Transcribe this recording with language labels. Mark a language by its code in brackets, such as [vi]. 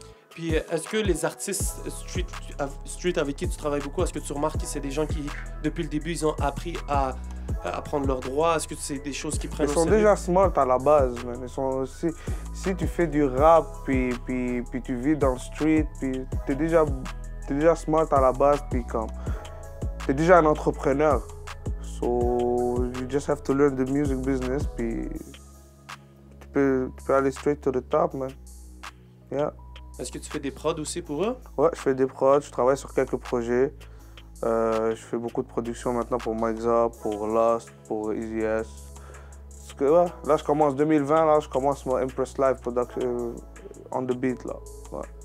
[fr] Puis, est-ce que les artistes street avec qui tu travailles beaucoup, est-ce que tu remarques que c'est des gens qui, depuis le début, ils ont appris à apprendre leurs droits? Est-ce que c'est des choses qui prennent au sérieux? Ils sont déjà smart à la base, man. Ils sont aussi... Si tu fais du rap, puis tu vis dans le street, puis t'es déjà smart à la base, puis comme... T'es déjà un entrepreneur. [en] So, you just have to learn the music business, puis... [fr] Tu peux aller [en] straight to the top, man. Yeah. [fr] Est-ce que tu fais des prods aussi pour eux? Ouais, je fais des prods, je travaille sur quelques projets. Je fais beaucoup de production maintenant pour Mike Zop, pour Lost, pour Easy S. Parce que, ouais, là, je commence 2020, là, je commence mon Impress Live production [en] on the beat, [fr] là. Ouais.